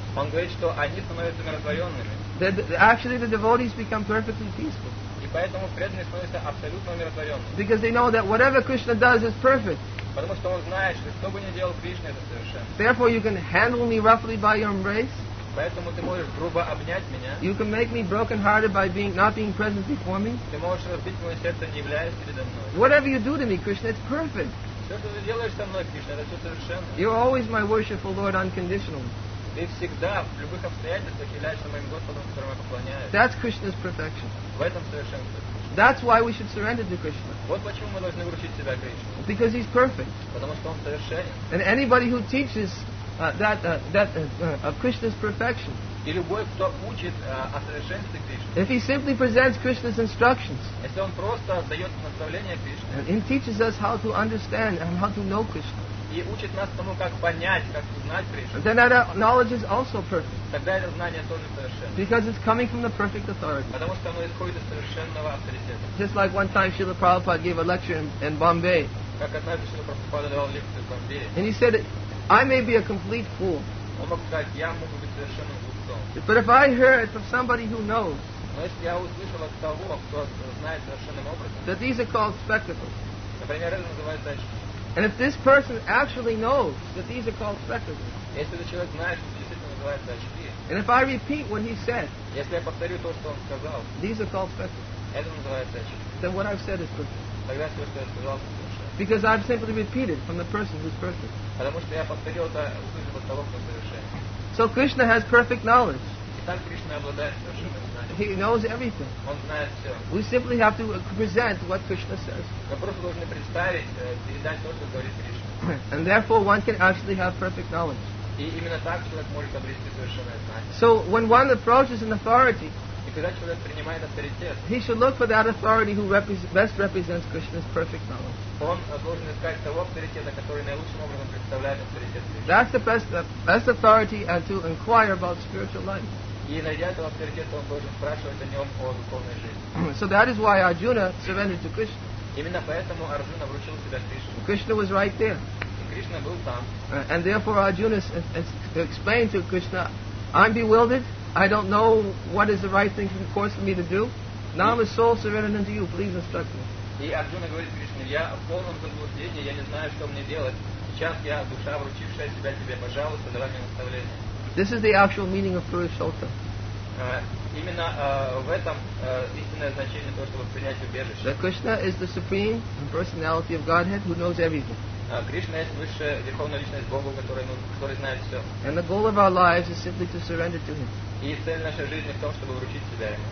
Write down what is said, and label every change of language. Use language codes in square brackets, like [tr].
[ru] Он говорит, что они становятся умиротворенными. [en] Actually, the devotees become perfectly peaceful. [ru] И поэтому преданные становятся абсолютно умиротворенными. [en] Because they know that whatever Krishna does is perfect. [ru] Потому что он знает, что что бы ни делал Кришна, это совершенно. [en] Therefore, you can handle me roughly by your embrace. [ru] Поэтому ты можешь грубо обнять меня. [en] You can make me broken-hearted by not being present before me. [ru] Ты можешь разбить мое сердце, не являясь передо мной. [en] Whatever you do to me, Krishna, it's perfect. [ru] Все, что ты делаешь со мной, Кришна, это все совершенно. [en] You're always my worshipful Lord unconditionally. [ru] Ты всегда в любых обстоятельствах являешься моим Господом, которому я поклоняюсь. [en] That's Krishna's perfection. [ru] В этом совершенство. [en] That's why we should surrender to Krishna. [ru] Вот почему мы должны вручить себя Кришне. [en] Because he's perfect. [ru] Потому что он совершенен. [en] And anybody who teaches that of Krishna's perfection. [ru] И любой, кто учит о совершенстве Кришны. [en] If he simply presents Krishna's instructions. [ru] Если он просто дает наставления Кришне. [en] And he teaches us how to understand and how to know Krishna. [ru] И учит нас тому, как понять, как узнать Кришну. [en] Then that knowledge is also perfect. [ru] Тогда это знание тоже совершенно. [en] Because it's coming from the perfect authority. [ru] Потому что оно исходит из совершенного авторитета. [en] Just like one time Srila Prabhupada gave a lecture in Bombay. [ru] Как однажды Srila Prabhupada давал лекцию в Бомбее. [en] And he said, I may be a complete fool. [ru] Он мог сказать, я могу быть совершенно глупым. [en] But if I hear it from somebody who knows, [ru] но если я услышал от того, кто знает совершенным образом, [en] that these are called spectacles, [ru] например, это называется очки. [en] And if this person actually knows that these are called spectacles, [ru] если этот человек знает, что действительно называется очки, [en] and if I repeat what he said, [ru] если я повторю то, что он сказал, [en] these are called spectacles, [ru] это называется очки. [en] Then what I've said is perfect. [ru] Тогда все, что я сказал, это хорошо. [en] Because I've simply repeated from the person who's perfect. [ru] Потому что я повторил это, услышал от того, кто совершен. [en] So Krishna has perfect knowledge. [ru] Итак, Кришна обладает совершенным знанием. [en] He knows everything. [ru] Он знает все. [en] We simply have to present what Krishna says. [ru] Мы просто должны представить, передать то, что говорит Кришна. [en] And therefore one can actually have perfect knowledge. [ru] И именно так человек может обрести совершенное знание. [en] So when one approaches an authority, [ru] и когда человек принимает авторитет, [en] he should look for that authority who best represents Krishna's perfect knowledge. [ru] Он должен искать того авторитета, который наилучшим образом представляет авторитет Кришны. [en] That's the best authority and to inquire about spiritual life. [ru] И найдя этого авторитета, он должен спрашивать о нем о духовной жизни. [en] So that is why Arjuna surrendered to Krishna. [ru] Именно поэтому Арджуна вручил себя Кришне. [en] Krishna was right there. [ru] И Кришна был там. [en] And therefore Arjuna explained to Krishna, I'm bewildered, I don't know what is the right thing for me to do. Now I'm a soul surrendered unto you, please instruct me. [ru] И Арджуна говорит Кришне: я в полном заблуждении, я не знаю, что мне делать. Сейчас я душа, вручившая себя тебе, пожалуйста, давай мне наставление. [en] This is the actual meaning of Purushottam. [ru] Именно в этом истинное значение того, чтобы принять убежище. [en] That Krishna is the supreme personality of Godhead who knows everything. [ru] Кришна есть высшая верховная личность Бога, который знает все. [en] And the goal of our lives is simply to surrender to Him. [ru] И цель нашей жизни в том, чтобы вручить себя Ему.